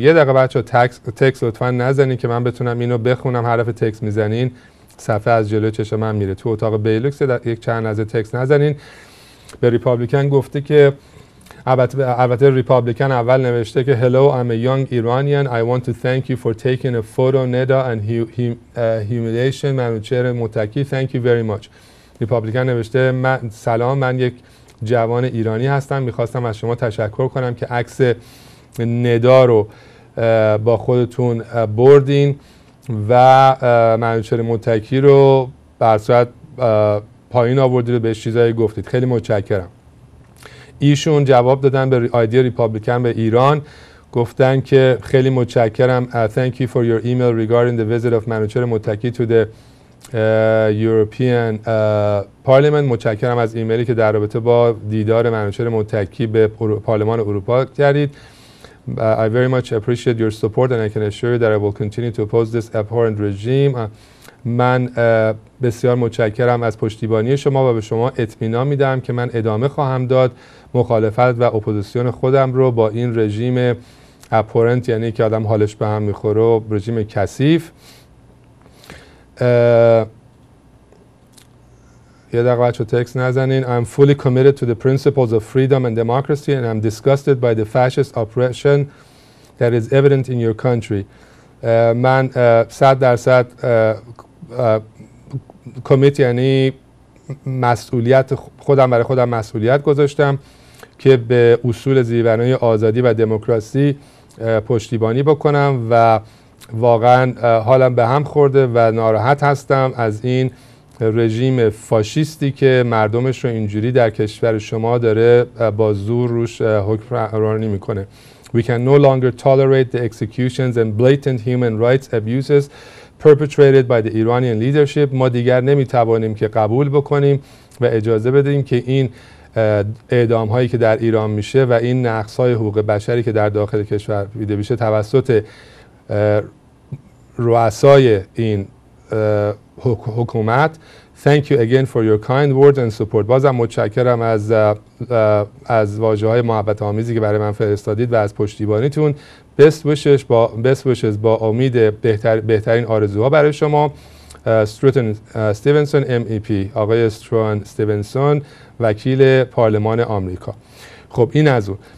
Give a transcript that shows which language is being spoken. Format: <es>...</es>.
<fa>یه دقیقه بچه ها تکس لطفا نزنین که من بتونم اینو بخونم. حرف تکس میزنین صفحه از جلوی چشم من میره. تو اتاق بیلوکس یک چند لحظه تکس نزنین. به ریپابلیکن گفته که البته ریپابلیکن اول نوشته که Hello, I'm a young Iranian.</fa> <en>I want to thank you for taking a photo Neda and humiliation منوچهر متکی. Thank you very much.</en> <fa>ریپابلیکن نوشته من سلام، من یک جوان ایرانی هستم، میخواستم از شما تشکر کنم که عکس ندا رو با خودتون بردین و منوچهر متکی رو بر صورت پایین آوردید و بهش چیزایی گفتید، خیلی متشکرم.</fa> <en>ایشون جواب دادن به آیدی ریپابلیکن به ایران، گفتن که خیلی متشکرم، thank you for your email regarding the visit of منوچهر متکی to the European Parliament.</en> <fa>متشکرم از ایمیلی که در رابطه با دیدار منوچهر متکی به پارلمان اروپا کردید.</fa> <en>I very much appreciate your support and I can assure you that I will continue to oppose this abhorrent regime.</en> <fa>من بسیار متشکرم از پشتیبانی شما و به شما اطمینان میدم که من ادامه خواهم داد مخالفت و اپوزیسیون خودم رو با این رژیم abhorrent، یعنی که آدم حالش به هم میخوره، رژیم کثیف. یه دقیقه بچه تکس نزنین.</fa> <en>I'm fully committed to the principles of freedom and democracy and I'm disgusted by the fascist oppression that is evident in your country.</en> <fa>من 100% commit یعنی مسئولیت خودم، برای خودم مسئولیت گذاشتم که به اصول زیربنای آزادی و دموکراسی پشتیبانی بکنم و واقعا حالم به هم خورده و ناراحت هستم از این رژیم فاشیستی که مردمش رو اینجوری در کشور شما داره با زور روش حکمرانی میکنه.</fa> <en>We can no longer tolerate the executions and blatant human rights abuses perpetrated by the Iranian leadership.</en> <fa>ما دیگر نمیتوانیم که قبول بکنیم و اجازه بدیم که این اعدام هایی که در ایران میشه و این نقص های حقوق بشری که در داخل کشور دیده میشه توسط رؤسای این حکومت.</fa> <en>Thank you again for your kind words and support.</en> <fa>بازم متشکرم از واژه های محبت آمیزی که برای من فرستادید و از پشتیبانیتون. Best wishes با امید بهترین آرزوها برای شما. Struan Stevenson MEP، آقای Struan Stevenson وکیل پارلمان آمریکا. خب این از اون.</fa>